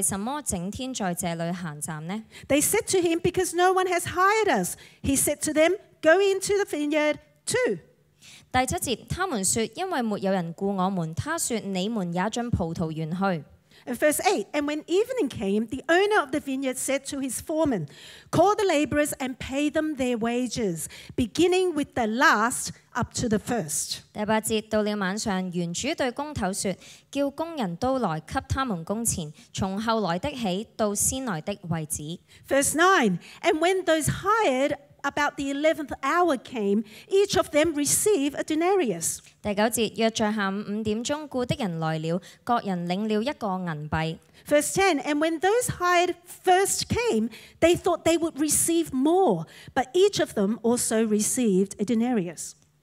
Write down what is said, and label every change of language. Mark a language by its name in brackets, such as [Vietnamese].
[Chinese] 第六節,約在下午五點鐘出去,他看見還有人站在那裡,就問他們,你們為什麼整天在這裡閒站呢? [English] They said to him, because no one has hired us. He said to them, go into the vineyard too. [Chinese] 第七節,他們說,因為沒有人顧我們,他說,你們也進葡萄園去。 [English] Verse 8, and when evening came, the owner of the vineyard said to his foreman, call the laborers and pay them their wages, beginning with the last up to the first. [Chinese] 第八節,到了晚上,原主對工頭說,叫工人都來給他們工錢,從後來的起到先來的為止。 [English] Verse 9, and when those hired about the 11th hour came, each of them received a denarius. [Chinese] 第九節,約在下午五點鐘,顧的人來了,各人領了一個銀幣。 [English] Verse 10, and when those hired first came, they thought they would receive more, but each of them also received a denarius.